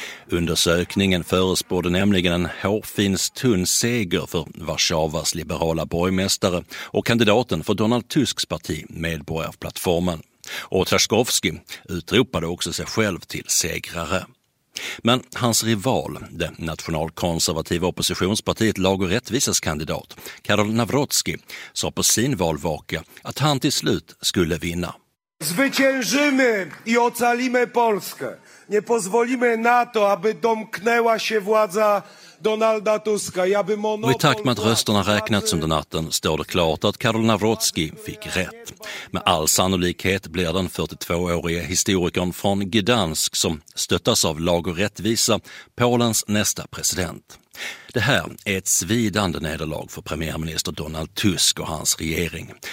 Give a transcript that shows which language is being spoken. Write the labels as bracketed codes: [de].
[sv] Undersökningen förespådde nämligen en hårfins tunn seger för Warszawas liberala borgmästare och kandidaten för Donald Tusks parti Medborgarplattformen. Och Trzaskowski utropade också sig själv till segrare. Men hans rival, det nationalkonservativa oppositionspartiet Lag- och rättvisas kandidat, Karol Nawrocki, sa på sin valvaka att han till slut skulle vinna. [pl] Zwyciężymy i ocalimy Polskę. Nie pozwolimy na to, aby domknęła się władza Donalda Tuska. Ja bym ono. [sv] I takt med att rösterna räknats under natten står det klart att Karol Nawrocki fick rätt. Med all sannolikhet blir den 42-årige historikern från Gdansk, som stöttas av Lag och rättvisa, Polens nästa president. Det här är ett svidande nederlag för premiärminister Donald Tusk och hans regering.